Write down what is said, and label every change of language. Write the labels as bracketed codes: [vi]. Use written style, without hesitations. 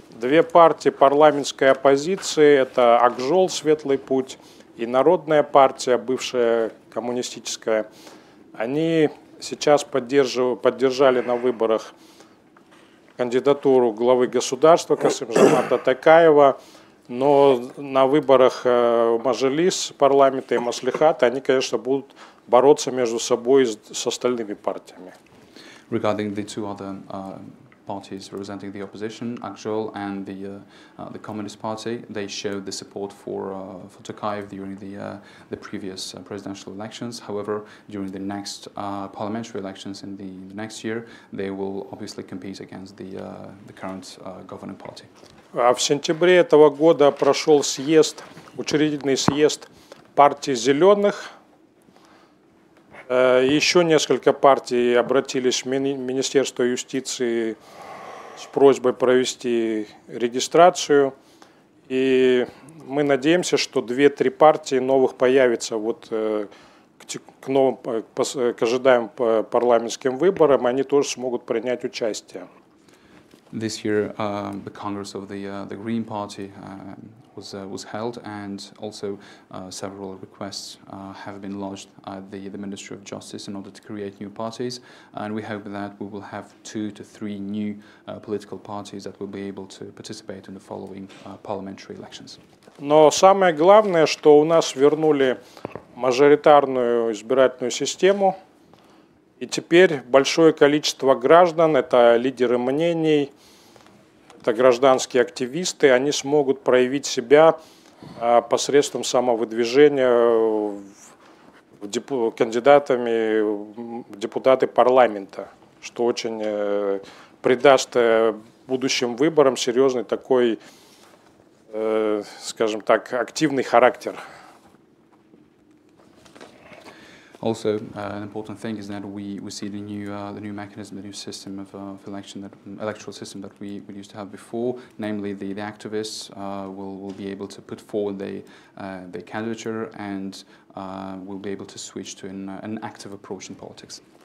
[ru] Две партии парламентской оппозиции – это АКЖОЛ, Светлый путь, и Народная партия, бывшая коммунистическая. Они сейчас поддержали на выборах кандидатуру главы государства Касым-Жомарта Токаева, но на выборах Мажилис, парламента и Маслихата, они, конечно, будут бороться между собой и с остальными партиями. [en] Regarding the two other parties representing the opposition, Akjol and the Communist Party, they showed the support for Tokayev during the previous presidential elections. However, during the next parliamentary elections in the next year, they will obviously compete against the current governing party. [ru] А в сентябре этого года прошел съезд, учредительный съезд партии «Зеленых». Еще несколько партий обратились в Министерство юстиции с просьбой провести регистрацию. И мы надеемся, что 2-3 партии новых появятся вот к ожидаемым парламентским выборам, они тоже смогут принять участие. [en] This year, the Congress of the Green Party was held, and also several requests have been lodged at the Ministry of Justice in order to create new parties. And we hope that we will have 2 to 3 new political parties that will be able to participate in the following parliamentary elections. [ru] Но самое главное, что у нас вернули мажоритарную избирательную систему. И теперь большое количество граждан, это лидеры мнений, это гражданские активисты, они смогут проявить себя посредством самовыдвижения кандидатами в депутаты парламента, что очень придаст будущим выборам серьезный такой, скажем так, активный характер. [en] Also, an important thing is that we see the new mechanism, the new system of election, that electoral system that we used to have before. Namely, the activists will be able to put forward their candidature and will be able to switch to an active approach in politics.